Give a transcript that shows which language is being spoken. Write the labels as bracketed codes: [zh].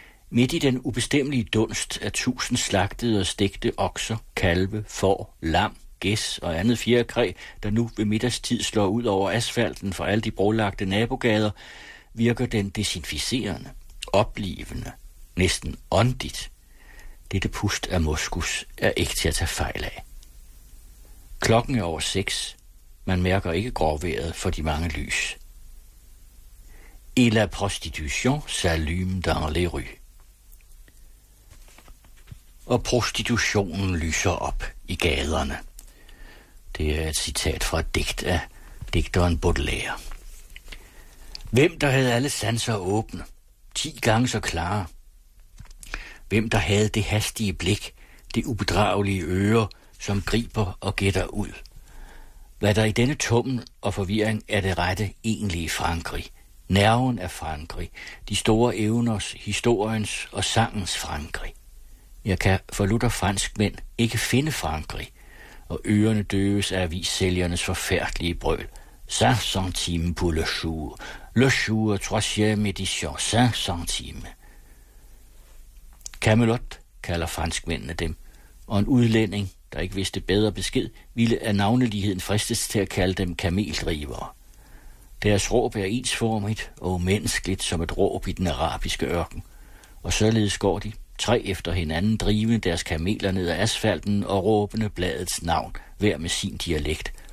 [da] Midt i den ubestemmelige dunst af 1000 slagtede og stegte okser, kalve, får, lam, gæs og andet fjerkræ, der nu ved middagstid slår ud over asfalten fra alle de brolagte nabogader, virker den desinficerende, oplivende, næsten åndigt. Dette pust af muskus er ikke til at tage fejl af. Klokken er over 6. Man mærker ikke gråvejret for de mange lys. [fr] Et la prostitution s'allume dans les rues. [da] Og prostitutionen lyser op i gaderne. Det er et citat fra et digt af digteren Baudelaire. Hvem der havde alle sanser åbne, 10 gange så klare. Hvem der havde det hastige blik, det ubedragelige øre, som griber og gætter ud. Hvad der i denne tummen og forvirring er det rette egentlige Frankrig. Nerven af Frankrig, de store evners, historiens og sangens Frankrig. Jeg kan for lutter franskmænd ikke finde Frankrig, og ørerne døves af avissælgernes forfærdelige brøl. [fr] 5 centimes pour le jour, le jour, 3e édition, 5 centimes. [da] Camelot, kalder franskmændene dem, og en udlænding, der ikke vidste bedre besked, ville af navneligheden fristes til at kalde dem kameldrivere. Deres råb er ensformigt og menneskeligt som et råb i den arabiske ørken, og således går de, 3 efter hinanden, drivende deres kameler ned ad asfalten og råbende bladets navn, hver med sin dialekt.